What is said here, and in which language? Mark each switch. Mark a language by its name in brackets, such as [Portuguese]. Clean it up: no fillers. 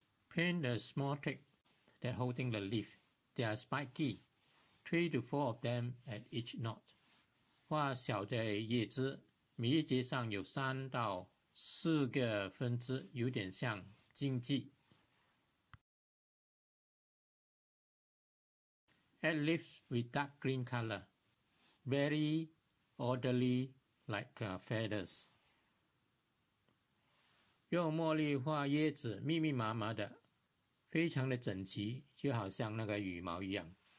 [English] Paint the small twig that holding the leaf. They are spiky, 3 to 4 of them at each knot. [Chinese] 画小的叶子，每一节上有3到4个分支，有点像荆棘。 [English] Add leaves with dark green color, very orderly like feathers. [Chinese] 用墨绿画叶子，密密麻麻的。非常的整齐，就好像那个羽毛一样。